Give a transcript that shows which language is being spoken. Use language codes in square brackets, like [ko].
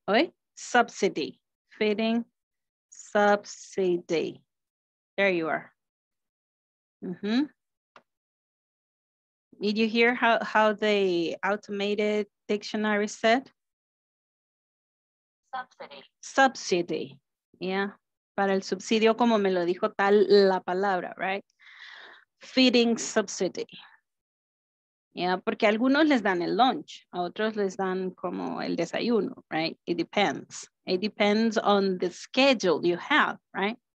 [en] Oi, subsidy, feeding. Subsidy. There you are. Mm-hmm. Did you hear how the automated dictionary said? Subsidy. Yeah. [es] Para el subsidio, como me lo dijo tal la palabra, right? [en] Feeding subsidy. Yeah, [es] porque a algunos les dan el lunch, a otros les dan como el desayuno, right? [en] It depends. It depends on the schedule you have, right?